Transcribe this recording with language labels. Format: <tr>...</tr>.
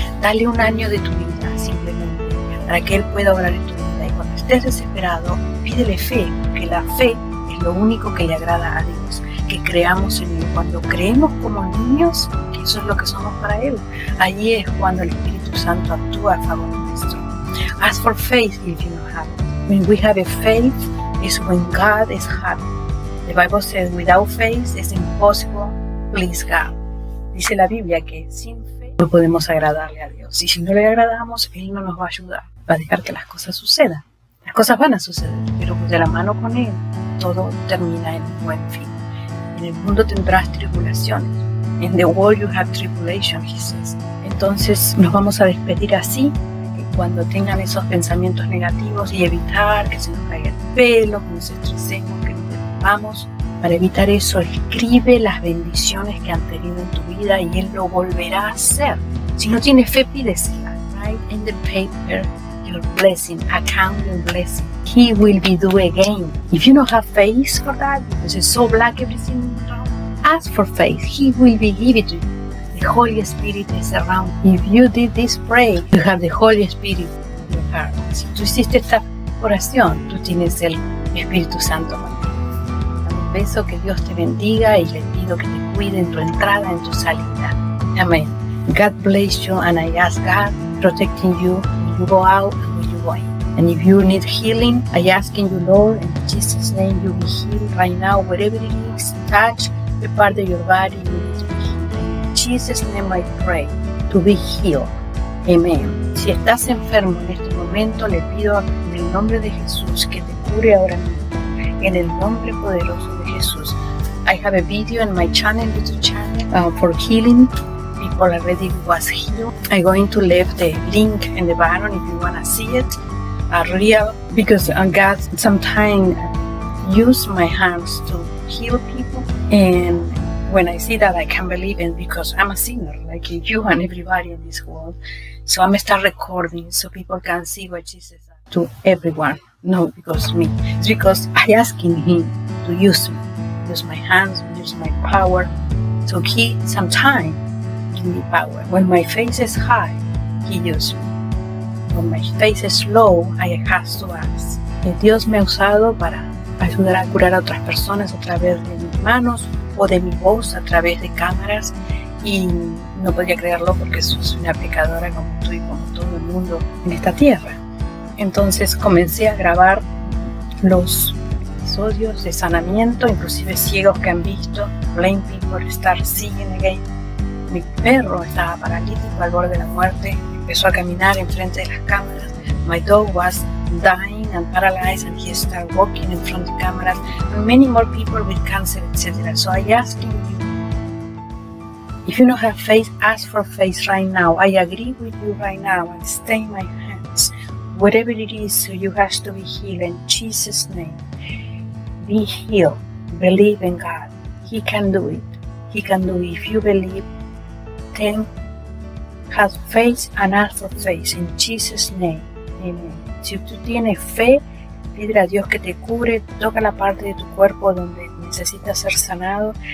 <es>Dale un año de tu vida simplemente para que Él pueda obrar en tu vida. Y cuando estés desesperado, pídele fe, porque la fe es lo único que le agrada a Dios. Que creamos en Él. Cuando creemos como niños, que eso es lo que somos para Él, allí es cuando el Espíritu Santo actúa a favor nuestro.</es> <en>Ask for faith if you have it. When we have a faith, it's when God is happy. The Bible says, without faith, it's impossible to please God.</en> <es>Dice la Biblia que sin fe no podemos agradarle a Dios. Y si no le agradamos, Él no nos va a ayudar. Va a dejar que las cosas sucedan. Las cosas van a suceder, pero de la mano con Él, todo termina en un buen fin. En el mundo tendrás tribulaciones.</es> <en>In the world you have tribulation, he says.</en> <es>Entonces nos vamos a despedir así. Cuando tengan esos pensamientos negativos y evitar que se nos caiga el pelo, que nos estresemos, que nos derrumbamos. Para evitar eso, escribe las bendiciones que han tenido en tu vida y Él lo volverá a hacer. Si no tienes fe, pídesela.</es> <en>Write in the paper your blessing, account your blessing. He will be due again. If you don't have faith for that, because it's so black everything in the world, ask for faith. He will be given to you. The Holy Spirit is around. If you did this prayer, you have the Holy Spirit in your heart.</en> <es>Si tú hiciste esta oración, tú tienes el Espíritu Santo contigo. Un beso, que Dios te bendiga y le pido que te cuide en tu entrada, en tu salida. Amén.</es> <en>God bless you and I ask God protecting you when you go out and when you go in. And if you need healing, I ask in you, Lord, in Jesus' name, you be healed right now, wherever it is, touch the part of your body you need. Jesus' name I pray to be healed. Amen.</en> <es>Si estás enfermo en este momento, le pido en el nombre de Jesús que te cure ahora mismo. En el nombre poderoso de Jesús.</es> <en>I have a video in my channel, YouTube channel, for healing. People already was healed. I'm going to leave the link in the bottom if you want to see it. Because God sometimes use my hands to heal people. And when I see that, I can't believe it because I'm a sinner, like you and everybody in this world. So I'm going to start recording so people can see what Jesus does to everyone. No, because me. It's because I'm asking Him to use me, use my hands, use my power. So He sometimes gives me power. When my face is high, He uses me. When my face is low, I have to ask.</en> <es>Que Dios me ha usado para ayudar a curar a otras personas a través de mis manos. O de mi voz a través de cámaras, y no podría creerlo porque soy una pecadora como tú y como todo el mundo en esta tierra. Entonces comencé a grabar los episodios de sanamiento, inclusive ciegos que han visto,</es> <en>blind people, start seeing again.</en> <es>Mi perro estaba paralítico al borde de la muerte, empezó a caminar enfrente de las cámaras.</es> <en>My dog was dying and paralyzed and he started walking in front of cameras. Many more people with cancer, etc. So I ask you, if you don't have faith, ask for faith right now. I agree with you right now and stay in my hands. Whatever it is, you have to be healed in Jesus' name. Be healed. Believe in God. He can do it. He can do it. If you believe, then have faith and ask for faith in Jesus' name. Amen.</en> <es>Si tú tienes fe, pídele a Dios que te cure, toca la parte de tu cuerpo donde necesitas ser sanado.</es>